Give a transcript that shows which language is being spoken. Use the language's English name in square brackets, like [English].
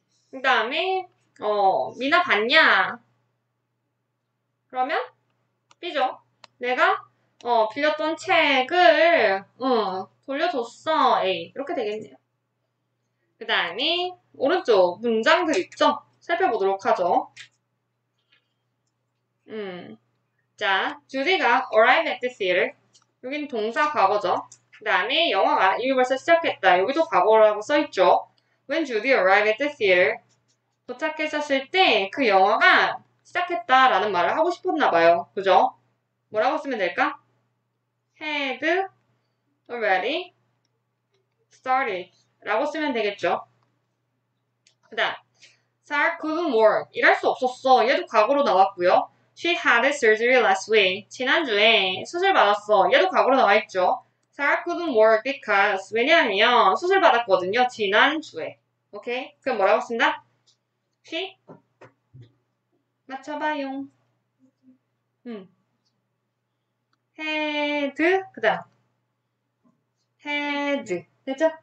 [Korean] 그 다음에 미나 봤냐? 그러면 B죠. 내가 빌렸던 책을 돌려줬어. A. 이렇게 되겠네요. 그 다음에 오른쪽 문장들 있죠? 살펴보도록 하죠. [English] 자, Judy가 arrived at the theater. [Korean] 여긴 동사 과거죠. 그 다음에 영화가 이미 벌써 시작했다. 여기도 과거라고 써있죠. [English] When Judy arrived at the theater. [Korean] 도착했었을 때그 영화가 시작했다라는 말을 하고 싶었나 봐요. 그죠? 뭐라고 쓰면 될까? [English] Had already started. [Korean] 라고 쓰면 되겠죠. 그 다음. [English] Sarah couldn't work. [Korean] 일할 수 없었어. 얘도 과거로 나왔고요. [English] She had a surgery last week. [Korean] 지난주에 수술 받았어. 얘도 과거로 나와있죠. [English] Sarah couldn't work because. [Korean] 왜냐하면 수술 받았거든요. 지난주에. 오케이? 그럼 뭐라고 쓴다? She? 맞춰봐용. Had. 그다음. Had. 됐죠?